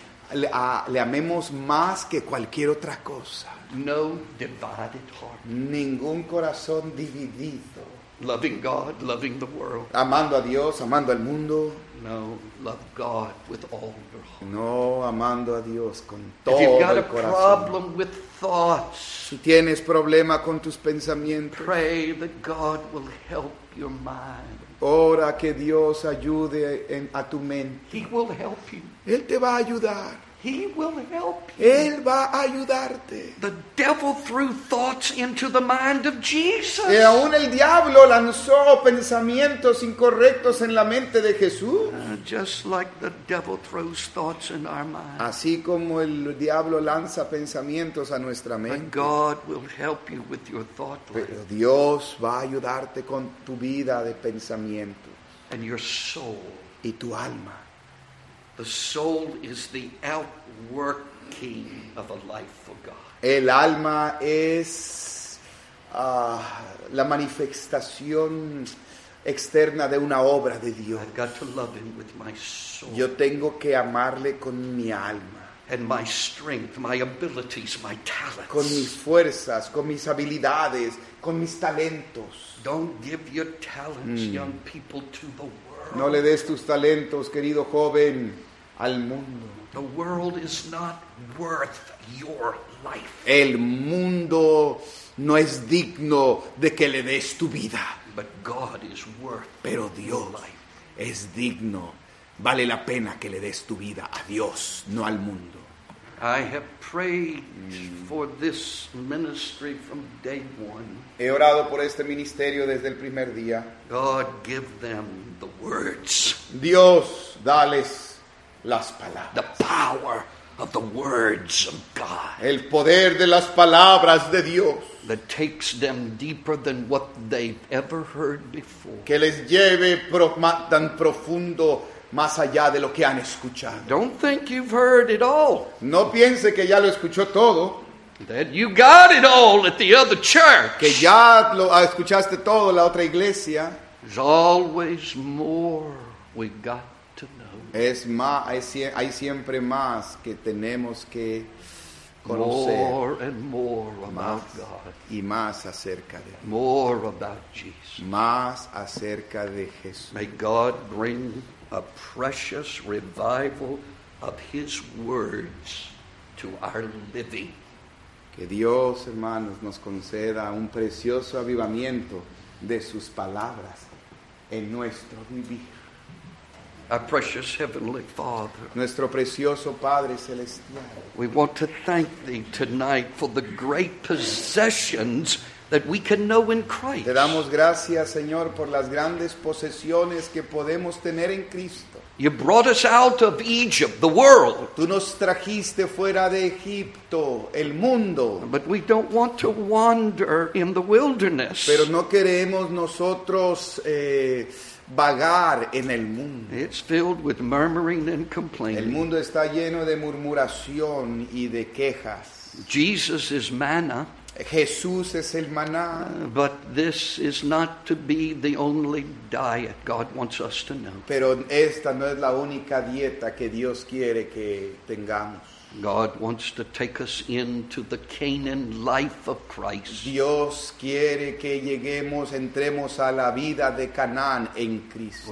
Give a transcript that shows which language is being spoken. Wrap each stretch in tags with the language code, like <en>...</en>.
<es>Que amemos más que cualquier otra cosa.</es> <en>No divided heart.</en> <es>Ningún corazón dividido.</es> <en>Loving God, loving the world.</en> <es>Amando a Dios, amando al mundo.</es> <en>No, love God with all your heart.</en> <es>No, amando a Dios con todo el corazón. Si tienes problema con tus pensamientos,</es> <en>pray that God will help your mind.</en> <es>Ora que Dios ayude a tu mente.</es> <en>He will help you.</en> <es>Él te va a ayudar.</es> <en>He will help you.</en> <es>Él va a ayudarte.</es> <en>The devil threw thoughts into the mind of Jesus.</en> <es>Y aún el diablo lanzó pensamientos incorrectos en la mente de Jesús.</es> <en>Just like the devil throws thoughts in our mind.</en> <es>Así como el diablo lanza pensamientos a nuestra mente.</es> <en>But God will help you with your thought life.</en> <es>Pero Dios va a ayudarte con tu vida de pensamiento.</es> <en>And your soul.</en> <es>Y tu alma.</es> <en>The soul is the outworking of a life for God.</en> <es>El alma es la manifestación externa de una obra de Dios.</es> <en>I've got to love him with my soul.</en> <es>Yo tengo que amarle con mi alma.</es> <en>And my strength, my abilities, my talents.</en> <es>Con mis fuerzas, con mis habilidades, con mis talentos.</es> <en>Don't give your talents, young people, to the world.</en> <es>No le des tus talentos, querido joven, al mundo.</es> <en>The world is not worth your life.</en> <es>El mundo no es digno de que le des tu vida.</es> <en>But God is worth.</en> <es>Pero Dios es digno. Vale la pena que le des tu vida a Dios, no al mundo.</es> <en>I have prayed for this ministry from day one.</en> <es>He orado por este ministerio desde el primer día.</es> <en>God give them the words.</en> <es>Dios, dales las palabras.</es> <en>The power of the words of God.</en> <es>El poder de las palabras de Dios.</es> <en>That takes them deeper than what they've ever heard before.</en> <es>Que les lleve tan profundo más allá de lo que han escuchado.</es> <en>Don't think you've heard it all.</en> <es>No piense que ya lo escuchó todo.</es> <en>That you got it all at the other church.</en> <es>Que ya lo escuchaste todo en la otra iglesia.</es> <en>There's always more we got to know.</en> <es>Es más, hay siempre más que tenemos que conocer.</es> <en>More and more about God.</en> <es>Y más acerca de Dios.</es> <en>More about Jesus.</en> <es>Más acerca de Jesús.</es> <en>May God bring a precious revival of his words to our living.</en> <es>Que Dios, hermanos, nos conceda un precioso avivamiento de sus palabras en nuestro vivir.</es> <en>Our precious heavenly Father,</en> <es>nuestro precioso Padre celestial,</es> <en>we want to thank thee tonight for the great possessions that we can know in Christ.</en> <es>Te damos gracias, Señor, por las grandes posesiones que podemos tener en Cristo.</es> <en>You brought us out of Egypt, the world.</en> <es>Tú nos trajiste fuera de Egipto, el mundo.</es> <en>But we don't want to wander in the wilderness.</en> <es>Pero no queremos nosotros vagar en el mundo.</es> <en>It's filled with murmuring and complaining.</en> <es>El mundo está lleno de murmuración y de quejas.</es> <en>Jesus is manna.</en> <es>Jesús es el maná.</es> <en>But this is not to be the only diet God wants us to know.</en> <es>Pero esta no es la única dieta que Dios quiere que tengamos.</es> <en>God wants to take us into the Canaan life of Christ.</en> <es>Dios quiere que lleguemos, entremos a la vida de Canaán en Cristo.</es>